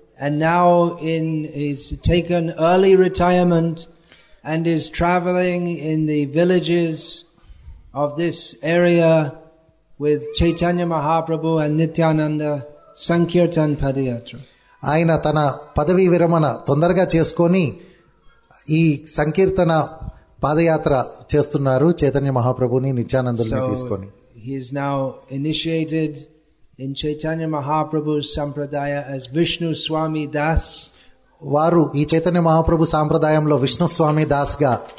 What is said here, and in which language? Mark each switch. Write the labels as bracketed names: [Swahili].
[English] And now in his taken early retirement and is travelling in the villages of this area with Chaitanya Mahaprabhu and Nityananda sankirtan padayatra. [Telugu] ఆయన తన పదవీ విరమణ తొందరగా చేసుకొని ఈ సంకీర్తన పాదయాత్ర చేస్తున్నారు చైతన్య మహాప్రభుని నిత్యానందుల్ని తీసుకొని. [English] He is now initiated in Chaitanya Mahaprabhu's sampradaya as Vishnu Swami Das. [Telugu] వారు ఈ చైతన్య మహాప్రభు సాంప్రదాయంలో విష్ణు స్వామి దాస్ గా,